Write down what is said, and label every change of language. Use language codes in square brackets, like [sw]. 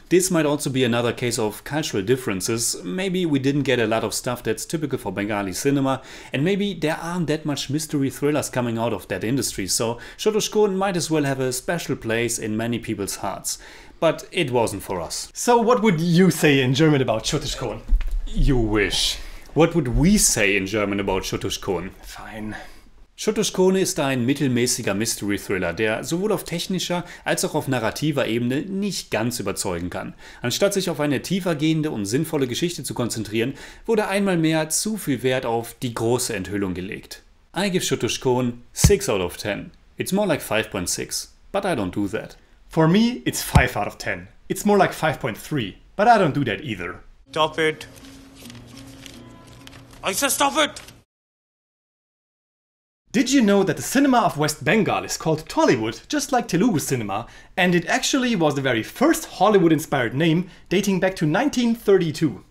[en] This might also be another case of cultural differences. Maybe we didn't get a lot of stuff that's typical for Bengali cinema, and maybe there aren't that much mystery thrillers coming out of that industry, so Chotushkone might as well have a special place in many people's hearts. But it wasn't for us. So what would you say in German about Chotushkone? You wish. What would we say in German about Chotushkone? Fine. [de] Chotushkone ist ein mittelmäßiger Mystery Thriller, der sowohl auf technischer als auch auf narrativer Ebene nicht ganz überzeugen kann. Anstatt sich auf eine tiefergehende und sinnvolle Geschichte zu konzentrieren, wurde einmal mehr zu viel Wert auf die große Enthüllung gelegt. [en] I give Chotushkone 6 out of 10. It's more like 5.6, but I don't do that. For me, it's 5 out of 10. It's more like 5.3, but I don't do that either. Stop it! I said stop it! Did you know that the cinema of West Bengal is called Tollywood, just like Telugu cinema, and it actually was the very first Hollywood-inspired name, dating back to 1932?